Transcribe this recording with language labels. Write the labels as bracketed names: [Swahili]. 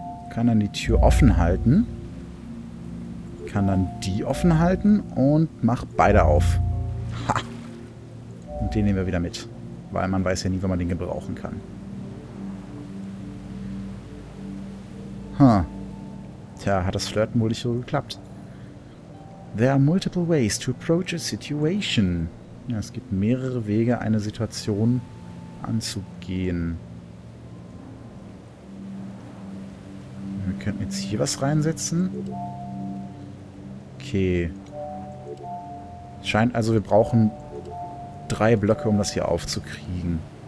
[German] Kann dann die Tür offen halten. Kann dann die offen halten und mach beide auf. Ha! Und den nehmen wir wieder mit. Weil man weiß ja nie, wann man den gebrauchen kann. Tja, hat das Flirten wohl nicht so geklappt. [English] There are multiple ways to approach a situation. [German] Ja, es gibt mehrere Wege, eine Situation anzugehen. Wir könnten jetzt hier was reinsetzen. Okay. Scheint also, wir brauchen drei Blöcke, um das hier aufzukriegen.